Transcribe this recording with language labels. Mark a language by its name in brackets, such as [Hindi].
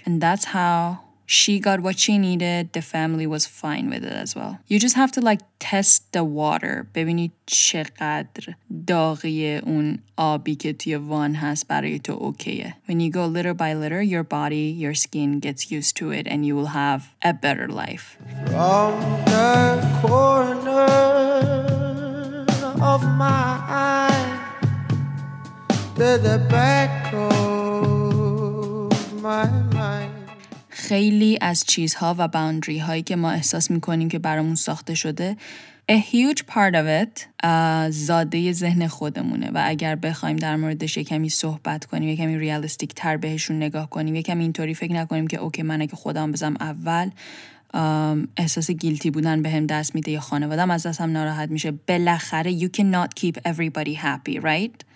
[English] And that's how she got what she needed. The family was fine with it as well. You just have to like test the water. [Persian] ببینی چقدر داغی اون آبی که توی وان هست برای تو اوکیه. [English] When you go litter by litter, your body, your skin gets used to it and you will have a better life. From the corner of my eye to the back of my mind. [Persian] خیلی از چیزها و باوندری هایی که ما احساس میکنیم که برامون ساخته شده [English] A huge part of it [Persian] زاده ذهن خودمونه و اگر بخوایم در موردش یکمی صحبت کنیم یکمی ریالستیک تر بهشون نگاه کنیم یکمی اینطوری فکر نکنیم که اوکی من اگه خودم بزنم اول احساس گیلتی بودن به هم دست میده یا خانوادم از دستم ناراحت میشه بالاخره [English] You cannot keep everybody happy, right?